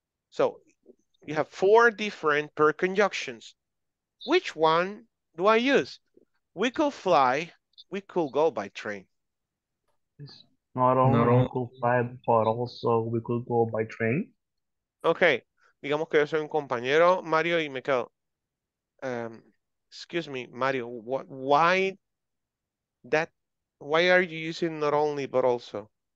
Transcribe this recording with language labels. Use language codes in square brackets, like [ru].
[en] So, you have four different per conjunctions. Which one do I use? We could fly, we could go by train. Not only we could fly, but also we could go by train. [es] Okay, digamos que yo soy un compañero, Mario, y me quedo. [en] Excuse me, Mario, why are you using not only but also?